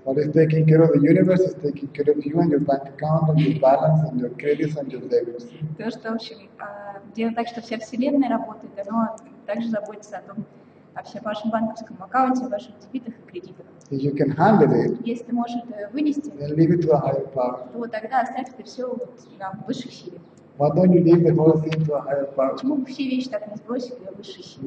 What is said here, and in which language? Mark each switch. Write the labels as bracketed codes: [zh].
[en] What is taking care of the universe is taking care of you and your bank account and your balance and your credits and your debits. [ru] То, что, в общем, делать так, что вся Вселенная работает, оно также заботится о том, о всем вашем банковском аккаунте, о ваших дебитах и кредитах. [en] If you can handle it, [ru] если ты можешь это вынести, [en] then leave it to a higher power. [ru] То тогда оставь это все на высших силе. [en] Why don't you leave the whole thing to a higher power? [ru] Почему бы все вещи так не сбросить на высшие силы?